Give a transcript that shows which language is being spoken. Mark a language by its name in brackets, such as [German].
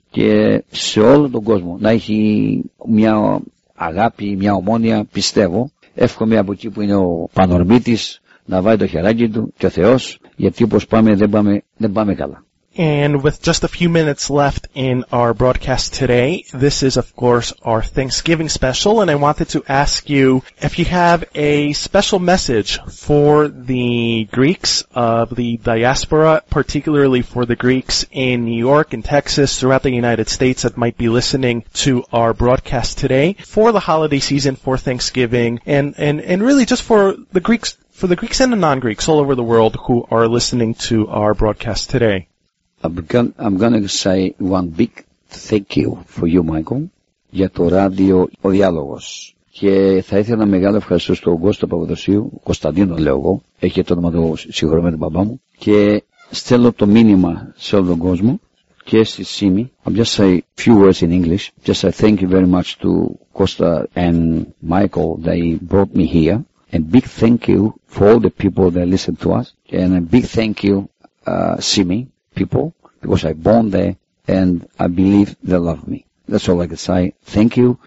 [Greek] Και σε όλο τον κόσμο να έχει μια αγάπη, μια Ομόνοια, πιστεύω. Εύχομαι από εκεί που είναι ο Πανορμίτης να βάλει το χεράκι του και ο Θεός, γιατί όπως πάμε δεν πάμε καλά. [English] And with just a few minutes left in our broadcast today, this is of course our Thanksgiving special, and I wanted to ask you if you have a special message for the Greeks of the diaspora, particularly for the Greeks in New York and Texas throughout the United States that might be listening to our broadcast today for the holiday season, for Thanksgiving, and really just for the Greeks, and the non-Greeks all over the world who are listening to our broadcast today. I'm going to say one big thank you for you, Michael, [Greek] για το ράδιο ο Διάλογος. Και θα ήθελα ένα μεγάλο ευχαριστώ στον Κώστα Παπαδοσίου, Κωνσταντίνο λέω εγώ, έχει το όνομα του συγχωρούμε τον παπά μου, και στέλνω το μήνυμα σε όλο τον κόσμο και στη Σίμη. [English] I'll just say a few words in English. Just say thank you very much to Costa and Michael. They brought me here. A big thank you for all the people that listen to us. And a big thank you, Simi people, because I born there and I believe they love me. That's all I can say. Thank you.